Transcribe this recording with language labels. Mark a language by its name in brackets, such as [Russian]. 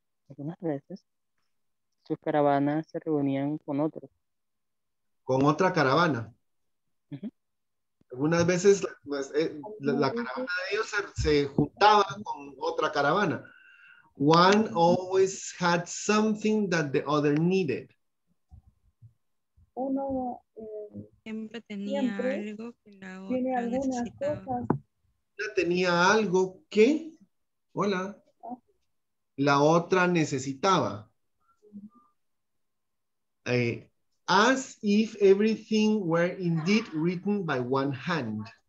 [Spanish] Algunas veces sus caravanas se reunían con otro. Con otra caravana. Algunas veces la caravana de ellos se juntaba con otra caravana. [English] One always had something that the other needed. [Spanish] Uno siempre tenía siempre algo que la otra necesitaba. Una tenía algo que, hola, la otra necesitaba. [English] As if everything were indeed written by one hand.